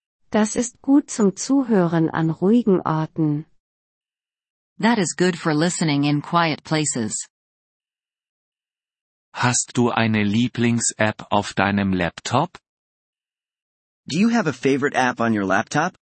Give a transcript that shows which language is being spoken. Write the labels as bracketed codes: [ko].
[de] Das ist gut zum Zuhören an ruhigen Orten. [en] That is good for listening in quiet places. [de] Hast du eine Lieblings-App auf deinem Laptop? [en] Do you have a favorite app on your laptop?